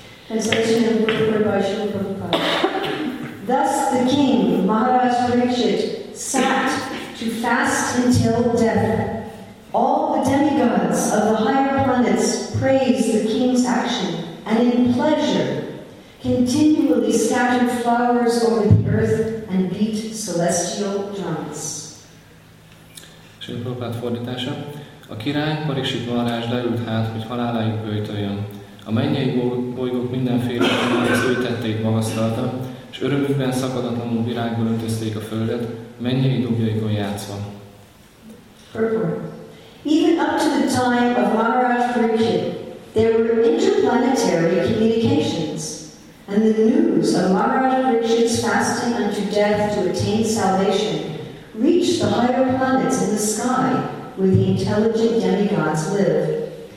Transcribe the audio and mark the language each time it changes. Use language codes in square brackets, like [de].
[en] Translation of Guru by Srila Prabhupada. Thus the king, Maharaj Parikshit, sat to fast until death. All the demigods of the higher planets praised the king's action and in pleasure continually scattered flowers over the earth and beat celestial drums. [hu] Srila Prabhupada fordítása. A király Parikshit Maharaj leült hát, hogy haláláig böjtöljön. A mennyei bolygók mindenféle az ő tetteit magasztalta, és örömükben szakadatlanul virággal öntözték a földet, mennyei dobjaikon játszva. [en] Even up to the time of Maharaj Parikshit, there were interplanetary communications, and the news of Maharaj Parikshit's fasting unto death to attain salvation reached the higher planets in the sky where the intelligent demigods live.